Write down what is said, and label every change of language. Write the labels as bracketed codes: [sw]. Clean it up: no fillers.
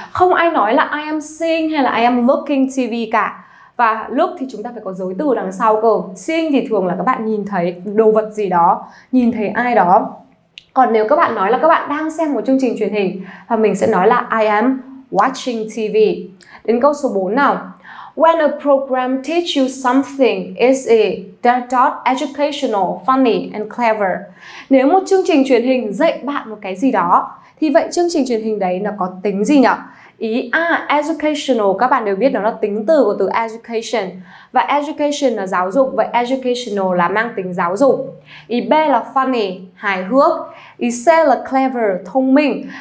[vi] Không ai nói là [en] I am seeing [vi] hay là [en] I am looking TV [vi] cả. Và look thì chúng ta phải có dấu từ đằng sau cơ. Seeing thì thường là các bạn nhìn thấy đồ vật gì đó, nhìn thấy ai đó. Còn nếu các bạn nói là các bạn đang xem một chương trình truyền hình thì mình sẽ nói là [en] I am watching TV. [vi] Đến câu số 4 nào. [en] When a program teach you something, is it dot educational, funny and clever? [vi] Nếu một chương trình truyền hình dạy bạn một cái gì đó thì vậy chương trình truyền hình đấy nó có tính gì nhỉ? Ý A, educational, các bạn đều biết nó là tính từ của từ education. Và education là giáo dục, vậy educational là mang tính giáo dục. Ý B là funny, hài hước. Ý C là clever, thông minh.